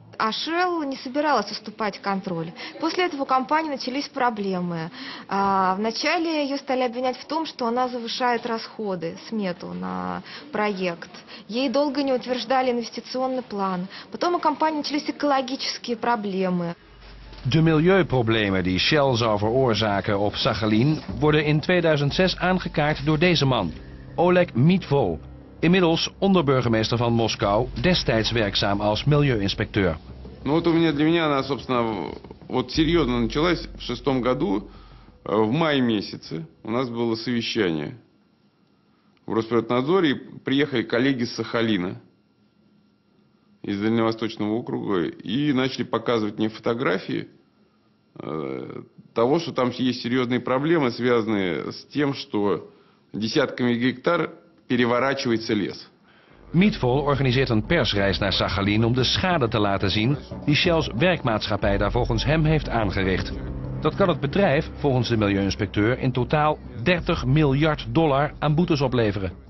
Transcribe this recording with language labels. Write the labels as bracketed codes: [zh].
[ru] А Shell не собиралась уступать контроль. После этого у компании начались проблемы. Вначале ее стали обвинять в том, что она завышает расходы, смету на проект. Ей долго не утверждали инвестиционный план. Потом у компании начались экологические проблемы. [nl] De milieuproblemen die Shell zou veroorzaken op Sakhalin worden in 2006 aangekaart door deze man, Oleg Mitvo. Inmiddels onderburgemeester van Moskou, destijds werkzaam als milieuinspecteur. [ru] Ну вот у меня для меня она, собственно, вот серьезно началась в 2006 году, в мае месяце. У нас было совещание в Роспотребнадзоре, и приехали коллеги с Сахалина из Дальневосточного округа и начали показывать мне фотографии того, что там есть серьезные проблемы, связанные с тем, что десятками гектар переворачивается лес. [nl] Митвол организeert een persreis naar Сахалин om de schade te laten zien die Shell's werkmaatschappij daar volgens hem heeft aangericht. Dat kan het bedrijf, volgens de milieuinspecteur, in totaal 30 miljard dollar aan boetes opleveren.